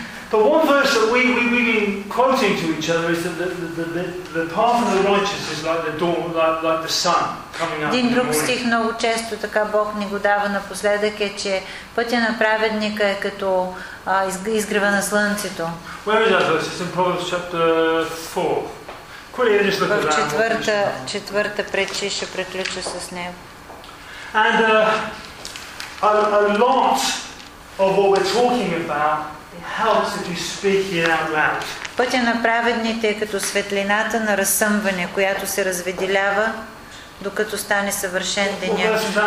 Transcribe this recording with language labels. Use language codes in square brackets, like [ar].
[en] But one verse that we've been quoting to each other is that the path of the righteous is like the dawn, like the sun. [bg] Един друг стих много често така Бог ни го дава напоследък е, че пътя на праведника е като изгрева на слънцето. [en] Where is that verse? It's in Proverbs chapter 4. Quickly, just look at that. [bg] Четвърта притча, ще приключа с него. [en] And a lot of what we're talking about helps if you speak it out loud. [bg] Пътя на праведните е като светлината на разсъмване, която се разведелява докато стане съвършен деня.